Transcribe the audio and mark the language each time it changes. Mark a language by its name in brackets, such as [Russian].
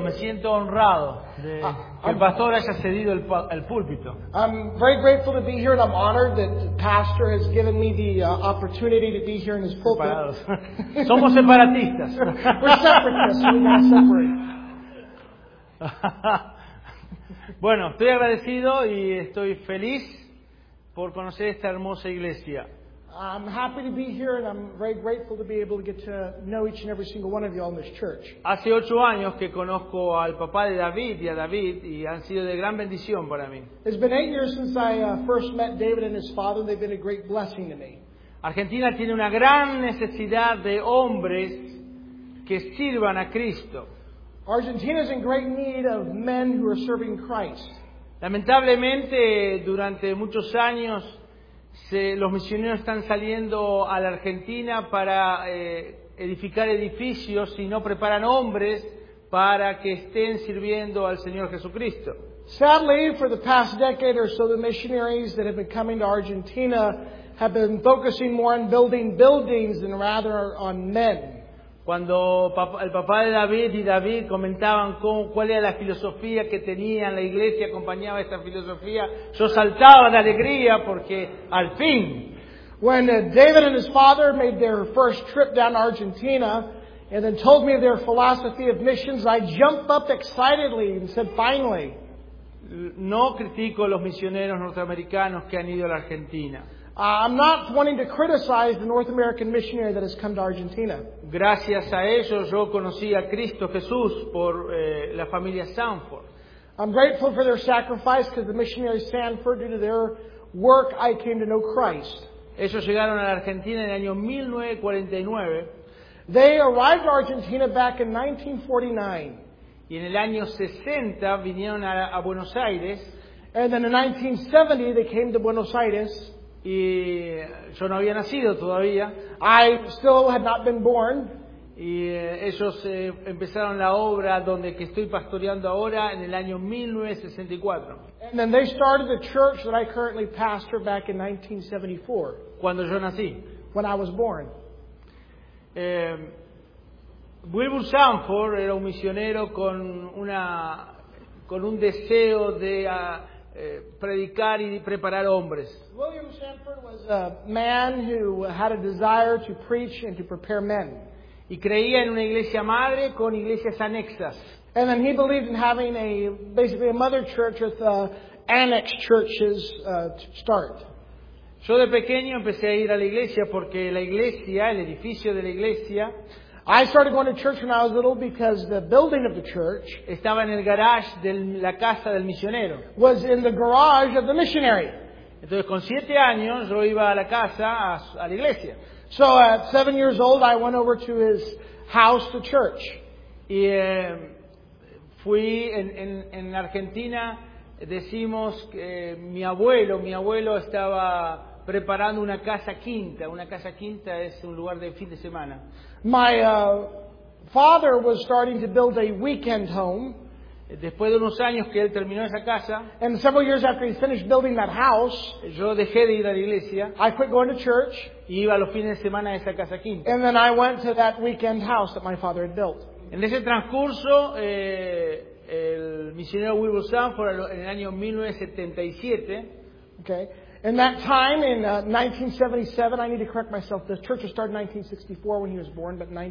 [Spanish] Me siento honrado de que el pastor haya cedido el púlpito. [English] I'm very grateful to be here, and I'm honored that the pastor has given me the opportunity to be here in his pulpit. [Spanish] Somos separatistas. [English] We're separatists. We want to separate. [Spanish] Bueno, estoy agradecido y estoy feliz por conocer esta hermosa iglesia. [English] I'm happy to be here, and I'm very grateful to be able to get to know each and every single one of you all in this church. [Spanish] Hace 8 años que conozco al papá de David y a David, y han sido de gran bendición para mí. [English] It's been 8 years since I first met David and his father, and they've been a great blessing to me. [Spanish] Argentina tiene una gran necesidad de hombres que sirvan a Cristo. [English] Argentina is in great need of men who are serving Christ. [Spanish] Lamentablemente, durante muchos años, los misioneros están saliendo a la Argentina para edificar edificios y no preparan hombres para que estén sirviendo al Señor Jesucristo. [English] Sadly, for the past decade or so, the missionaries that have been coming to Argentina have been focusing more on building buildings than rather on men. [Spanish] Cuando el papá de David y David comentaban cuál era la filosofía que tenían, la iglesia acompañaba esta filosofía, yo saltaba de alegría porque al fin. [English] When David and his father made their first trip down to Argentina and then told me their philosophy of missions, I jumped up excitedly and said, finally. [Spanish] No critico a los misioneros norteamericanos que han ido a la Argentina. [English] I'm not wanting to criticize the North American missionary that has come to Argentina. [Spanish] Gracias a ellos, yo conocí a Cristo Jesús por la familia Sanford. [English] I'm grateful for their sacrifice because the missionary Sanford, due to their work, I came to know Christ. [Spanish] Ellos llegaron a la Argentina en el año 1949. [English] They arrived to Argentina back in 1949. [Spanish] Y en el año 60 vinieron a Buenos Aires. [English] And then in 1970 they came to Buenos Aires. [Spanish] Y yo no había nacido todavía. [English] I still had not been born. [Spanish] Y ellos empezaron la obra donde que estoy pastoreando ahora en el año 1964. [English] And then they started the church that I currently pastor back in 1974. [Spanish] Cuando yo nací. [English] When I was born. [Spanish] Wilbur Sanford era un misionero con una con un deseo de predicar y de preparar hombres. [English] William Shamford was a man who had a desire to preach and to prepare men. [Spanish] Y creía en una iglesia madre con iglesias anexas. [English] And then he believed in having a basically a mother church with annex churches to start. [Spanish] Yo de pequeño empecé a ir a la iglesia porque la iglesia, el edificio de la iglesia, [English] I started going to church when I was little because the building of the church [Spanish] estaba en el garage de la casa del misionero. [English] Was in the garage of the missionary. [Spanish] Entonces con 7 años yo iba a la casa a la iglesia. [English] So at 7 years old I went over to his house to church. [Spanish] Y fui en Argentina decimos que mi abuelo estaba preparando una casa quinta. Una casa quinta es un lugar de fin de semana. [English] My father was starting to build a weekend home. [Spanish] Después de unos años que él terminó esa casa, [English] and several years after he finished building that house, [Spanish] yo dejé de ir a la iglesia. [English] I quit going to church. [Spanish] Y iba los fines de semana a esa casa quinta. [English] And then I went to that weekend house that my father had built. [Spanish] En ese transcurso, el misionero Wilbur Sanford, en el año 1977, [English] okay. In that time, in 1977, I need to correct myself, the church was started in 1964 when he was born, but